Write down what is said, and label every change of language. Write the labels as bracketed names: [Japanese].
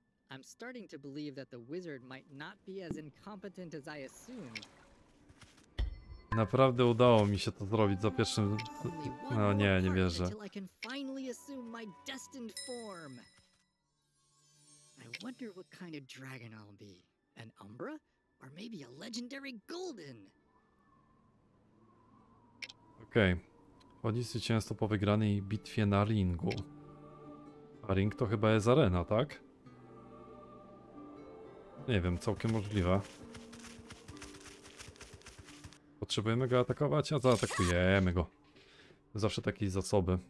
[English] I'm starting to believe that the wizard might not be as incompetent as I assumed. [Polish] Naprawdę udało mi się to zrobić za pierwszym... No nie, nie wierzę. [English] I can finally assume my destined form. I wonder what kind of dragon I'll be. An Umbra? Or maybe a legendary golden? [Polish] Okej. Chodzi zwycięstwo po wygranej bitwie na ringu. A ring to chyba jest arena, tak? Nie wiem, całkiem możliwe. Potrzebujemy go atakować? A zaatakujemy go. Zawsze takie zasoby.